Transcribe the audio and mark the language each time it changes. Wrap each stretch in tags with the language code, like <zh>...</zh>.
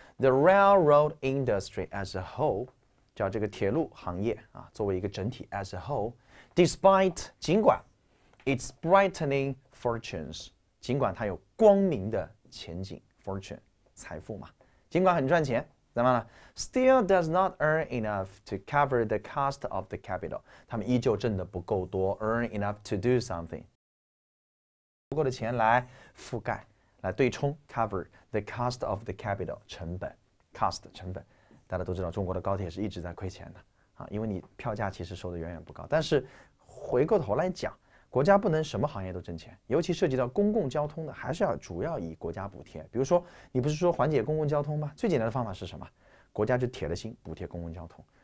<en>The railroad industry as a whole，</en> <zh>叫这个铁路行业啊，作为一个整体 as a whole，</zh> <en>despite 尽管 its brightening fortunes，</en> <zh>尽管它有光明的前景， fortune 财富嘛，尽管很赚钱，怎么了？</zh> <en>Still does not earn enough to cover the cost of the capital，</en> <zh>他们依旧挣得不够多，</zh> <en>earn enough to do somethingbut the</en> <zh>钱来覆盖，来对冲</zh> <en>cover the cost of the capital 成本 cost 成本。</en> <zh>大家都知道中国的高铁是一直在亏钱的啊，因为你票价其实收的远远不高，但是回过头来讲，国家不能什么行业都挣钱，尤其涉及到公共交通的还是要主要以国家补贴。比如说你不是说缓解公共交通吗？最简单的方法是什么？国家就铁了心补贴公共交通。</zh>